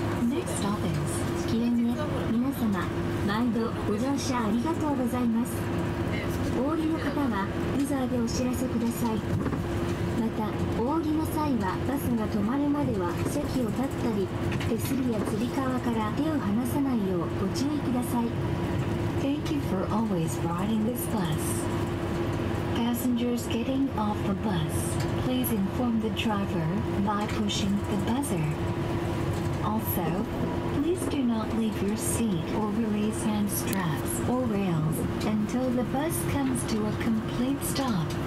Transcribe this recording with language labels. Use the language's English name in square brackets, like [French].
[English] Next stop is キヨネ。 [Japanese] 皆様、毎度ご乗車ありがとうございます。お降りの方は、ブザーでお知らせください。また、お降りの際は、バスが止まるまでは席を立ったり、手すりやつり革から手を離さないようご注意ください。 [English] Thank you for always riding this bus. Passengers getting off the bus, please inform the driver by pushing the buzzer. Also, please do not leave your seat or release hand straps or rails until the bus comes to a complete stop.